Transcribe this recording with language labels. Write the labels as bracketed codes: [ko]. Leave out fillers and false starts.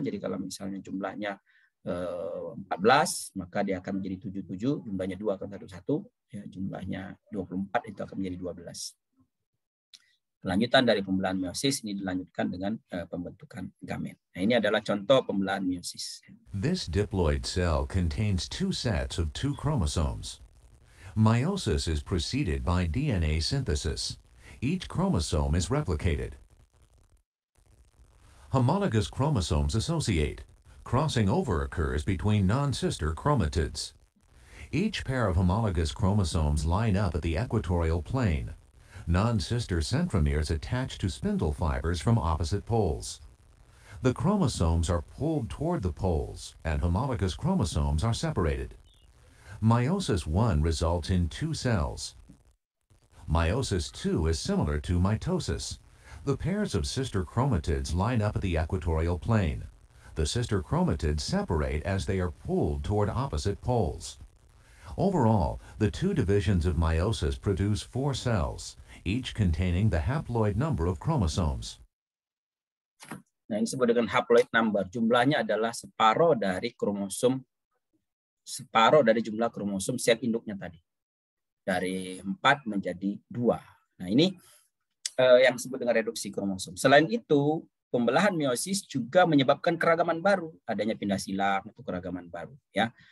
[id] Jadi kalau misalnya jumlahnya 14, maka dia akan menjadi 7-7. Jumlahnya 2 akan menjadi 1. Ya, jumlahnya 24 itu akan menjadi 12. Kelanjutan dari pembelahan meiosis ini dilanjutkan dengan pembentukan gamet. Nah, ini adalah contoh pembelahan meiosis. [en] This diploid cell contains two sets of two chromosomes. Meiosis is preceded by DNA synthesis. Each chromosome is replicated. Homologous chromosomes associate. Crossing over occurs between non-sister chromatids. Each pair of homologous chromosomes line up at the equatorial plane. Non-sister centromeres attach to spindle fibers from opposite poles. The chromosomes are pulled toward the poles, and homologous chromosomes are separated. Meiosis I results in two cells. Meiosis II is similar to mitosis. The pairs of sister chromatids line up at the equatorial plane. The sister chromatids separate as they are pulled toward opposite poles. Overall, the two divisions of meiosis produce four cells, each containing the haploid number of chromosomes. [id] Nah, ini disebut dengan haploid number. Jumlahnya adalah separoh dari jumlah kromosom sel induknya tadi. Dari 4 menjadi 2. Nah, ini yang disebut dengan reduksi kromosom. Selain itu, pembelahan meiosis juga menyebabkan keragaman baru, adanya pindah silang itu keragaman baru ya.